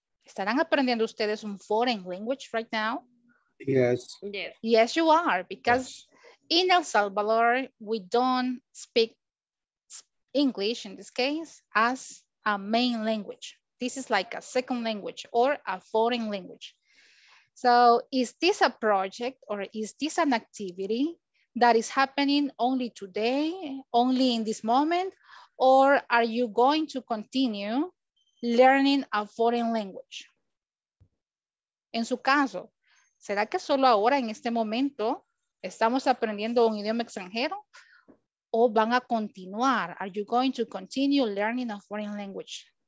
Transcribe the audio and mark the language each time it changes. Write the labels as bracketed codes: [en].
[es] ¿Estarán aprendiendo ustedes un [en] foreign language right now? Yes. Yes, yes you are, because yes. In El Salvador, we don't speak English, in this case, as a main language. This is like a second language or a foreign language. So is this a project or is this an activity that is happening only today, only in this moment, or are you going to continue learning a foreign language? [es] En su caso, ¿será que solo ahora en este momento estamos aprendiendo un idioma extranjero o van a continuar? [en] Are you going to continue learning a foreign language?